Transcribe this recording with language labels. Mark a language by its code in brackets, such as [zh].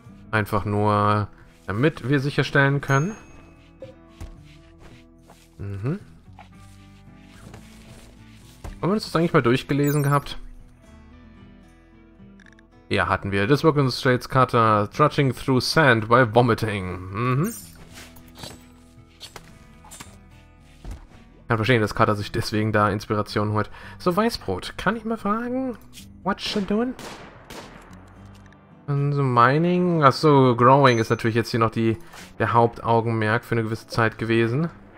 [de] Einfach nur, damit wir sicherstellen können. Haben wir uns das eigentlich mal durchgelesen gehabt? Ja, hatten wir. [en] This demonstrates Cutter trudging through sand while vomiting. [de] Kann verstehen, dass Cutter sich deswegen da Inspiration holt. So, Weißbrot, kann ich mal fragen, [en] what you doing? [de] Und so Mining, ach so, Growing ist natürlich jetzt hier noch der Hauptaugenmerk für eine gewisse Zeit gewesen.